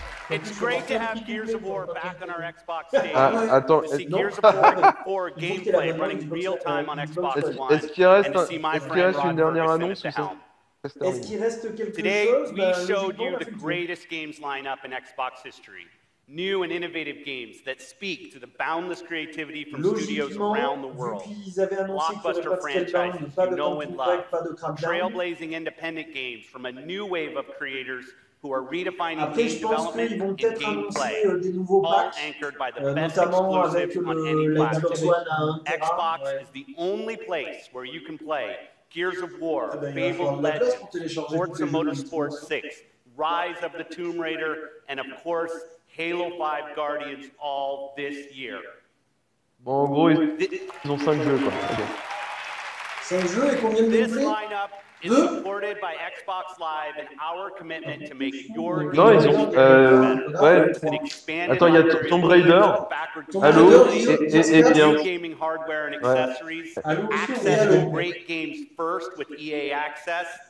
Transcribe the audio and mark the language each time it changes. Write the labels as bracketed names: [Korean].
[French] Est-ce qu'il reste une dernière annonce ou ça? [English] Today, we showed you the greatest games lineup in Xbox history. New and innovative games that speak to the boundless creativity from studios around the world. Blockbuster franchises you know and love. Trailblazing independent games from a new wave of creators who are redefining game development and gameplay. All anchored by the best exclusives on any platform. Xbox is the only place where you can play Gears of War, Fable Legends, Forza Motorsport 6, Rise of the Tomb Raider, and of course, Halo 5 Guardians all this year. [French] Bon, en gros, ils ont 5 jeux, quoi. Okay. C'est un jeu et combien de gameplay? [English] Is supported by Xbox Live and our commitment to make your game [French] non, ils ont. Ouais. Attends, il y a Tomb Raider. Allô? Et bien. [English] Gaming hardware and accessories. Access to great games first with EA Access.